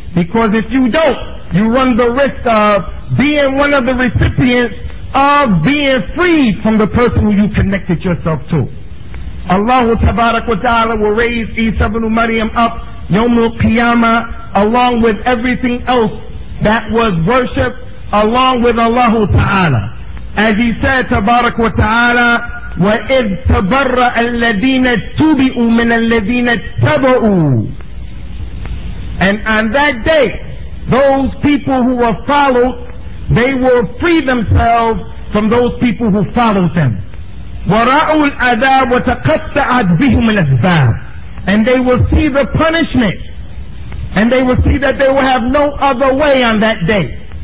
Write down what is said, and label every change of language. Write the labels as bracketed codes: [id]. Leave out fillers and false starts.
[en] Because if you don't, you run the risk of being one of the recipients of being freed from the person who you connected yourself to. Allah tabarak wa ta'ala will raise Isa ibn Maryam up Yawmul Qiyamah along with everything else that was worshipped along with Allah Ta'ala. As he said, tabarak wa ta'ala, [ar] وَإِذْ تَبَرَّأَ الَّذِينَ تُبِئُوا مِنَ الَّذِينَ تَبَعُوا. [en] And on that day, those people who were followed, they will free themselves from those people who follow them. [ar] وَرَأُوا الْعَذَابُ وَتَقَطَّعَتْ بِهُمُ الْأَسْبَابُ. [en] And they will see the punishment. And they will see that they will have no other way on that day.